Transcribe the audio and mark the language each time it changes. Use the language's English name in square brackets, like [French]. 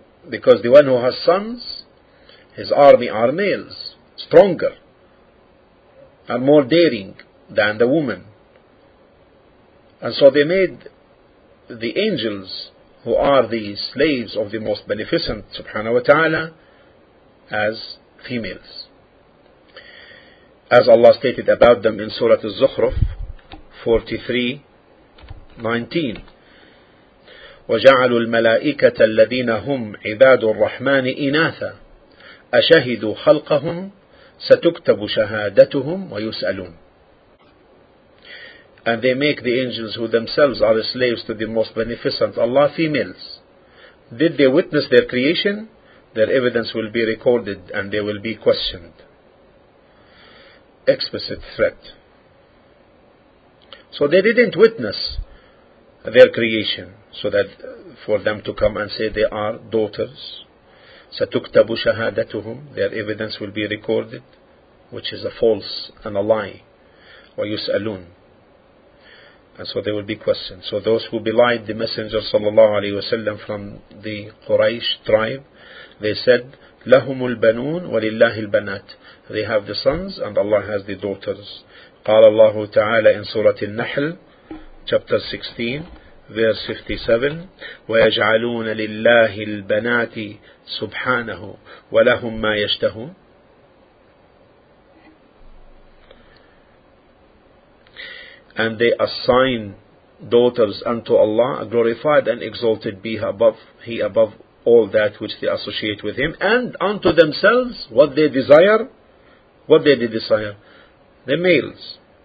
[English] Because the one who has sons, his army are males, stronger and more daring than the woman. And so they made the angels, who are the slaves of the most beneficent subhanahu wa ta'ala, as females. As Allah stated about them in Surah Al-Zukhruf 43:19, [Arabic] وَجَعَلُوا الْمَلَائِكَةَ الَّذِينَ هُمْ عِبَادُ الرَّحْمَنِ إِنَاثًا أَشَهِدُوا خَلْقَهُمْ سَتُكْتَبُ شَهَادَتُهُمْ وَيُسْأَلُونَ. [English] And they make the angels who themselves are the slaves to the most beneficent Allah females. Did they witness their creation? Their evidence will be recorded and they will be questioned. Explicit threat. So they didn't witness their creation, so that for them to come and say they are daughters, [Arabic] سَتُكْتَبُ شَهَادَتُهُمْ, [English] their evidence will be recorded, which is a false and a lie, [Arabic] وَيُسْأَلُونَ, [English] and so they will be questioned. So those who belied the Messenger sallallahu alayhi wasallam from the Quraysh tribe, they said, [Arabic] لَهُمُ الْبَنُونَ وَلِلَّهِ الْبَنَاتِ, [English] they have the sons and Allah has the daughters. [Arabic] قَالَ اللَّهُ تَعَالَى [English] in Surah Al-Nahl, chapter 16, verse 57, [Arabic] وَيَجْعَلُونَ لِلَّهِ الْبَنَاتِ سُبْحَانَهُ وَلَهُمْ مَا يَشْتَهُونَ. [English] And they assign daughters unto Allah, glorified and exalted be He above all that which they associate with Him, and unto themselves what they desire. What they desire? The males.